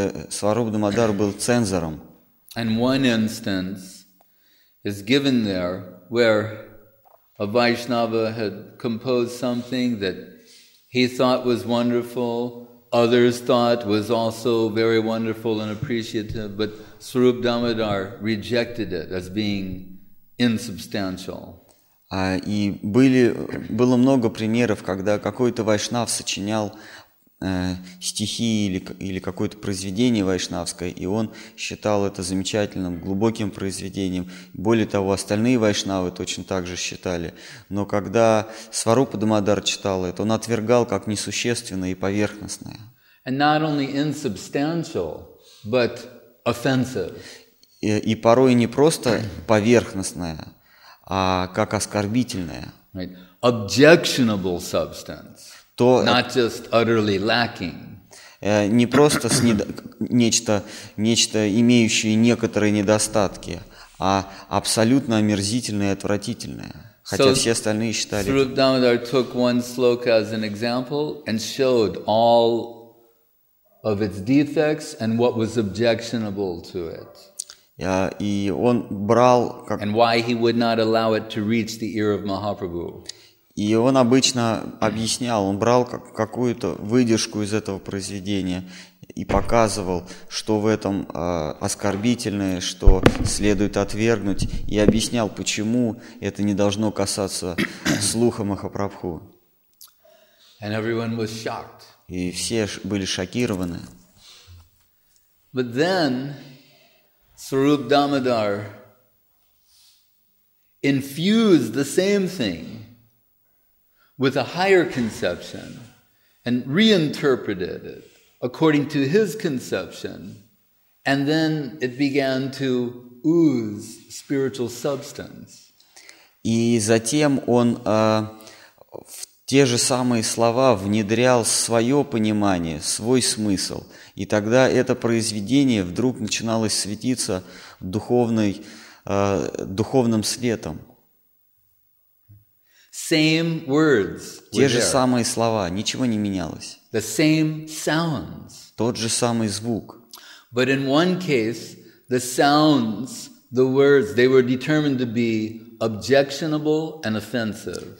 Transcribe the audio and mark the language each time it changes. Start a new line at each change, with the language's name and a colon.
Russian: Сваруп Дамодар был цензором.
English: And one instance is given there where a Vaishnava had composed something that he thought was wonderful, others thought was also very wonderful and appreciative, but Swarup Damodar rejected it as being insubstantial.
Russian: И было много примеров, когда какой-то вайшнав сочинял стихи или какое-то произведение вайшнавское, и он считал это замечательным, глубоким произведением. Более того, остальные вайшнавы точно так же считали. Но когда Сварупа Дамодар читал это, он отвергал как несущественное и поверхностное.
English: And not only insubstantial, but offensive.
Russian: И порой не просто поверхностное, а как оскорбительное.
English: Right. Objectionable substance.
Russian: Тот то
English: not just utterly lacking.
Russian: Не просто нечто имеющее некоторые недостатки, а абсолютно омерзительное и отвратительное. Хотя
English: so,
Russian: все остальные считали.
English: Sri Rupa Damodar took one sloka as an example and showed all of its defects and what was objectionable to it.
Russian: И он брал.
English: And why he would not allow it to reach the ear of Mahaprabhu.
Russian: И он обычно объяснял, он брал какую-то выдержку из этого произведения и показывал, что в этом оскорбительное, что следует отвергнуть, и объяснял, почему это не должно касаться слуха Махапрабху.
English: And everyone was shocked.
Russian: И все были шокированы.
English: But then Swarup Damodar infused the same thing with a higher conception and reinterpreted it according to his conception, and then it began to ooze spiritual substance.
Russian: И затем он в те же самые слова внедрял свое понимание, свой смысл, и тогда это произведение вдруг начиналось светиться духовным светом.
English: Same words.
Russian: Те же самые слова, ничего не менялось.
English: The same sounds.
Russian: Тот же самый звук.
English: But in one case, the sounds, the words, they were determined to be objectionable and offensive.